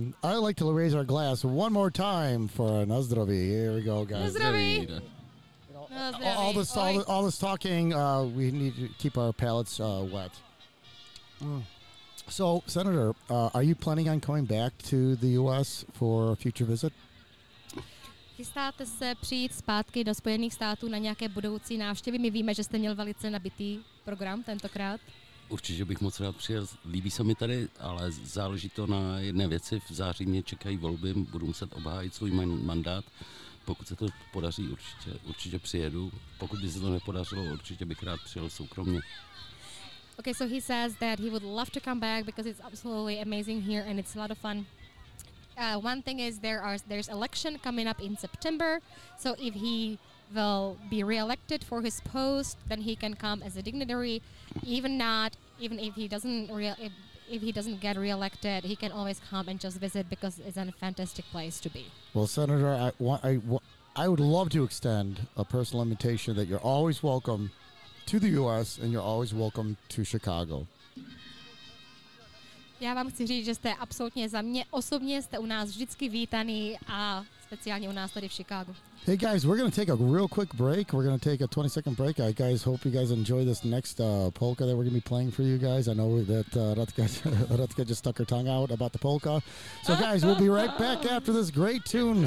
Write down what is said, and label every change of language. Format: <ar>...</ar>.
<en>I like to raise our glass one more time for Nazdravi. Here we go, guys.</en> <cs>Nazdravi.</cs> <en>All this talking, we need to keep our palates wet. So, Senator, are you planning on coming back to the U.S. for a future visit?</en> <cs>Chystáte se přijít zpátky do Spojených států na nějaké budoucí návštěvy? My víme, že jste měl velice nabitý program tentokrát. Určitě bych moc rád přijel. Líbí se mi tady, ale záleží to na jedné věci. V září mě čekají volby, budu muset obhájit svůj mandát. Pokud se to podaří, určitě přijedu. Pokud by se to nepodařilo, určitě bych rád přijel soukromně.</cs> <en>Okay, so he says that he would love to come back because it's absolutely amazing here and it's a lot of fun. One thing is there's election coming up in September. So if he will be reelected for his post, then he can come as a dignitary. Even if he doesn't get reelected, he can always come and just visit because it's a fantastic place to be. Well, Senator, I would love to extend a personal invitation that you're always welcome to the U.S. and you're always welcome to Chicago.</en> <cs>Já vám chci říct, že jste absolutně za mě osobně jste u nás vždycky vítaný a speciálně u nás tady v Chicago.</cs> <en>Hey guys, we're going to take a real quick break. We're going to take a 20-second break. I guys hope you guys enjoy this next polka that we're going to be playing for you guys. I know that Ratka just stuck her tongue out about the polka. So guys, we'll be right back after this great tune.</en>